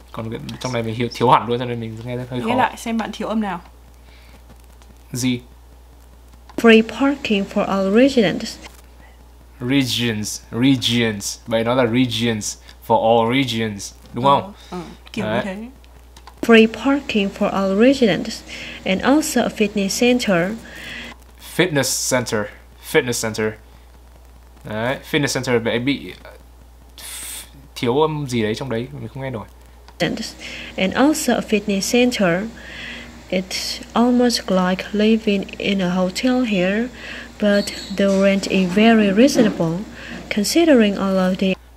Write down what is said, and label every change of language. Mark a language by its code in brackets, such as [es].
[vi] Còn trong này mình thiếu hẳn luôn cho nên mình nghe rất hơi khó. Nghe lại xem bạn thiếu âm nào. Gì? [en] Free parking for all residents. Regions. [vi] Vậy nó là [en] regions for all regions, [vi] đúng không? Kiểu đấy. Như thế. [en] Free parking for all residents and also a fitness center. Fitness center. [vi] Đấy, fitness center vậy bị thiếu âm gì đấy trong đấy, mình không nghe nổi. [en] And also a fitness center. It's almost like living in a hotel here, but the rent is very reasonable, considering all of the...